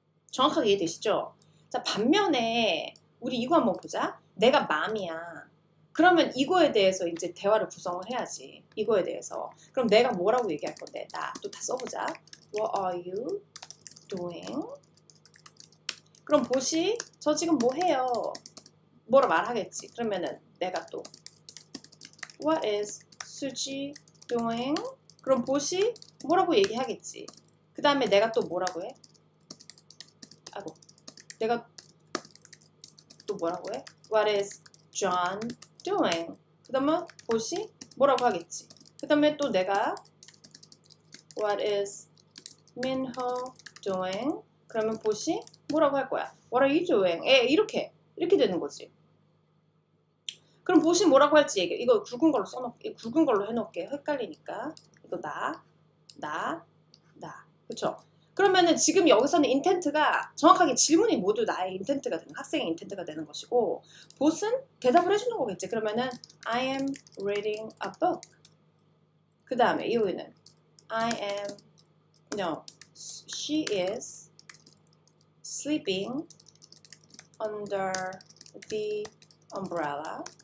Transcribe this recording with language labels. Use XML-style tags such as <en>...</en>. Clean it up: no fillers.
<ko>정확하게 이해되시죠? 자, 반면에 우리 이거 한번 보자. 내가 맘이야. 그러면 이거에 대해서 이제 대화를 구성을 해야지. 이거에 대해서. 그럼 내가 뭐라고 얘기할 건데? 나또다 써보자.</ko> <en>What are you doing?</en> <ko>그럼 보시, 저 지금 뭐 해요? 뭐라 말하겠지. 그러면은 내가 또</ko> <en>What is Suji doing?</en> <ko>그럼 보시, 뭐라고 얘기하겠지. 그 다음에 내가 또 뭐라고 해? 아이고, 내가 또 뭐라고 해?</ko> <en>What is John doing?</en> <ko>그 다음에 보시, 뭐라고 하겠지. 그 다음에 또 내가</ko> <en>What is Minho doing?</en> <ko>그러면 보시, 뭐라고 할 거야?</ko> <en>What are you doing?</en> <ko>이렇게 되는 거지. 그럼 보시 뭐라고 할지 얘기. 이거 굵은 걸로 써놓, 굵은 걸로 해놓을게. 헷갈리니까. 이거 나. 그쵸? 그러면은 지금 여기서는 인텐트가 정확하게 질문이 모두 나의 인텐트가 되는 학생의 인텐트가 되는 것이고 보스는 대답을 해주는 거겠지.</ko> <en>그러면은 I am reading a book.</en> <ko>그 다음에 이거는</ko> <en>I am no she is sleeping under the umbrella.</en>